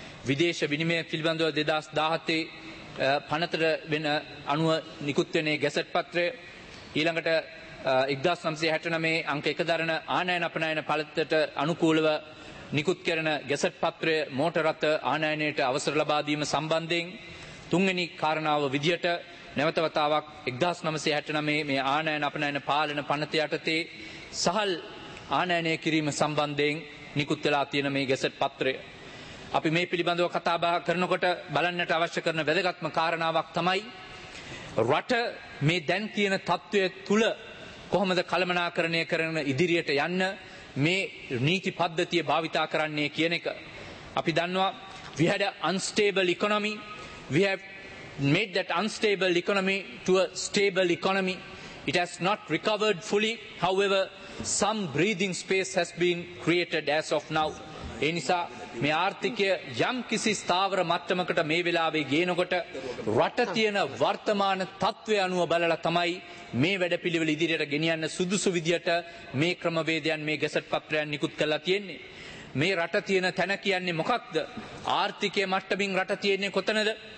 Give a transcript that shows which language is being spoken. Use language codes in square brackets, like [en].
[si] විදේශ විනිමය පිළිබඳව 2017 පනතර වෙන අනුව නිකුත් වෙන ගැසට් පත්‍රය, ඊළඟට 1969 අංක 1 දරන ආනයන අපනයන පළතට අනුකූලව නිකුත් කරන ගැසට් පත්‍රය, මෝටර් රථ ආනයනයට අවසර ලබා දීම සම්බන්ධයෙන් තුන්වෙනි කාරණාව විදියට නැවත වතාවක් 1969 මේ ආනයන අපනයන පාලන පනත යටතේ සහල් ආනයනය කිරීම සම්බන්ධයෙන් නිකුත් වෙලා තියෙන මේ ගැසට් පත්‍රය. අපි මේ පිළිබඳව කතා බහ කරනකොට බලන්නට අවශ්‍ය කරන වැදගත්ම කාරණාවක් තමයි, රට මේ දැන් තියෙන තත්ත්වය තුළ කොහොමද කළමනාකරණය කරන ඉදිරියට යන්න මේ නීති පද්ධතිය භාවිතා කරන්නේ කියන එක. අපි දන්නවා, [en] we had an unstable economy, we have made that unstable economy to a stable economy. It has not recovered fully, however some breathing space has been created as of now. [si] ඒ නිසා මේ ආර්ථිකය යම් කිසි ස්ථාවර මට්ටමකට මේ වෙලාවේ ගේනකොට රට තියෙන වර්තමාන තත්ත්වය අනුව බලලා තමයි මේ වැඩපිළිවෙල ඉදිරියට ගෙනියන්න සුදුසු විදියට මේ ක්‍රමවේදයන්, මේ ගැසට් පත්‍රයන් නිකුත් කරලා තියෙන්නේ. මේ රට තියෙන තැන කියන්නේ මොකක්ද? ආර්ථිකය මට්ටමින් රට තියෙන්නේ කොතනද?